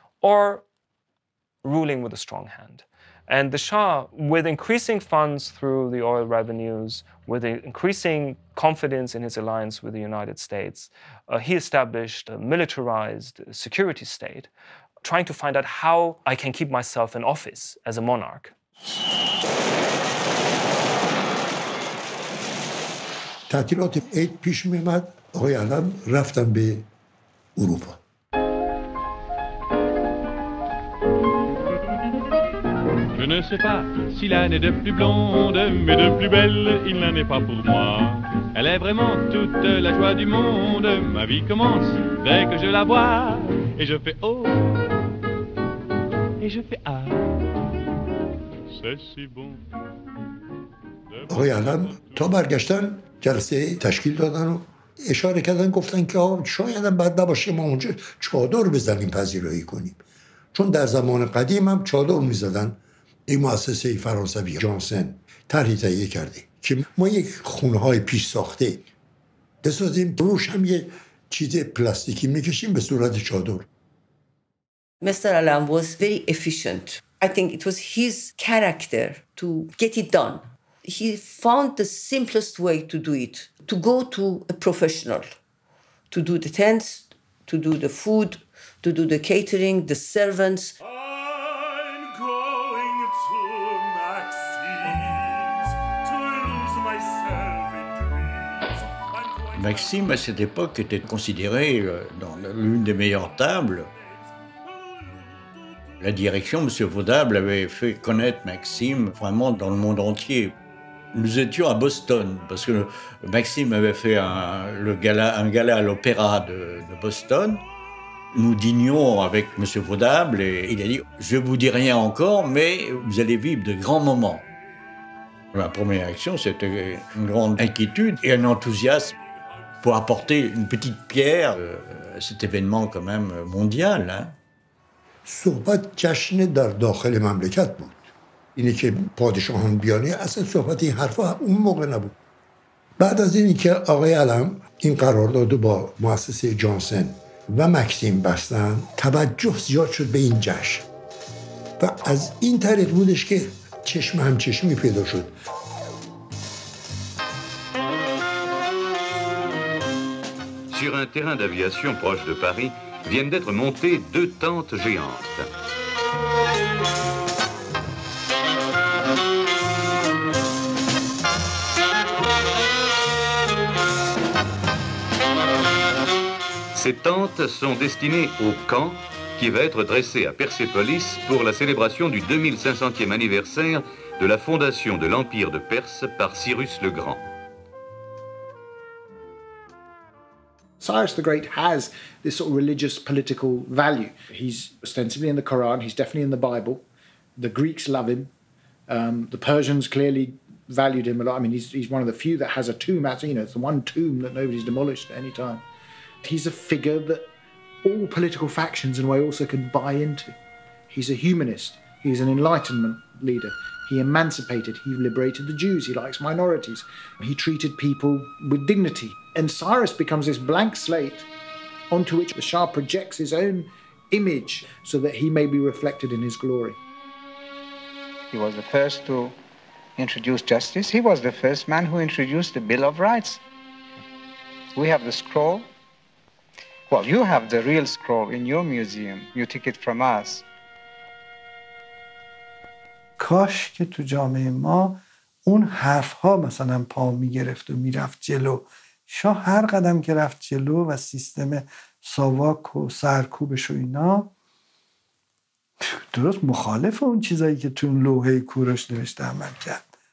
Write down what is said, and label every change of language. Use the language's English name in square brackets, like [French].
[English] Or ruling with a strong hand. And the Shah, with increasing funds through the oil revenues, with increasing confidence in his alliance with the United States, he established a militarized security state, trying to find out how I can keep myself in office as a monarch. [Persian] تعطیلات عید پیش می آمد آقای علم رفتم به اروپا [French] Je ne sais pas si l'année de plus blonde mais de plus belle il n'en est pas pour moi Elle est vraiment toute la joie du monde ma vie commence dès que je la vois et je fais oh et je fais ah C'est si bon [Persian] آقای علم تا برگشتن جلسه تشکیل دادن و اشاره کردن گفتن که شاید هم بد نباشه ما اونجا چادر بزنیم پذیرایی کنیم چون در زمان قدیم هم چادر میزدن این مؤسسه فرانسوی جانسن طرحی تهیه کرده که ما یک خونه های پیش ساخته بسازیم روش هم یه چیز پلاستیکی میکشیم به صورت چادر [English] Mr. Alam was very efficient. I think it was his character to get it done. He found the simplest way to do it, to go to a professional, to do the tents, to do the food, to do the catering, the servants. I'm going to Maxime's, to lose myself in dreams. [French] Maxime, à cette époque, était considéré dans l'une des meilleures tables. La direction, M. Vaudable, avait fait connaître Maxime vraiment dans le monde entier. Nous étions à Boston parce que Maxime avait fait un gala à l'opéra de Boston. Nous dînions avec M. Vaudable et il a dit « Je ne vous dis rien encore, mais vous allez vivre de grands moments. » Ma première action, c'était une grande inquiétude et un enthousiasme pour apporter une petite pierre à cet événement quand même mondial. Hein. [Persian] اینی که پادشاهان بیانه اصلا صحبت این حرفا اون موقع نبود بعد از اینی که آقای علم این قرارداد رو با مؤسسه جانسن و مکسیم بستن توجه زیاد شد به این جشن و از این طریق بودش که چشم همچشمی پیدا شد [French] Sur un terrain d'aviation proche de Paris viennent d'être montées deux tentes géantes Ces tentes sont destinées au camp qui va être dressé à Persépolis pour la célébration du 2500e anniversaire de la fondation de l'Empire de Perse par Cyrus le Grand. [English] Cyrus the Great has this sort of religious political value. He's ostensibly in the Quran, he's definitely in the Bible. The Greeks love him. The Persians clearly valued him a lot. I mean, he's one of the few that has a tomb outside. You know, it's the one tomb that nobody's demolished at any time. He's a figure that all political factions in a way also can buy into. He's a humanist. He's an Enlightenment leader. He emancipated. He liberated the Jews. He likes minorities. He treated people with dignity. And Cyrus becomes this blank slate onto which the Shah projects his own image so that he may be reflected in his glory. He was the first to introduce justice. He was the first man who introduced the Bill of Rights. We have the scroll. Well, you have the real scroll in your museum. You took it from us. [Persian] کاش که تو جامعه ما اون حرف ها مثلا پا می گرفت و می رفت جلو. شاه هر قدم که رفت جلو و سیستم ساواک و سرکوبش و اینا درست مخالف اون چیزایی که تو اون لوحه کوروش نوشته عمل کرد.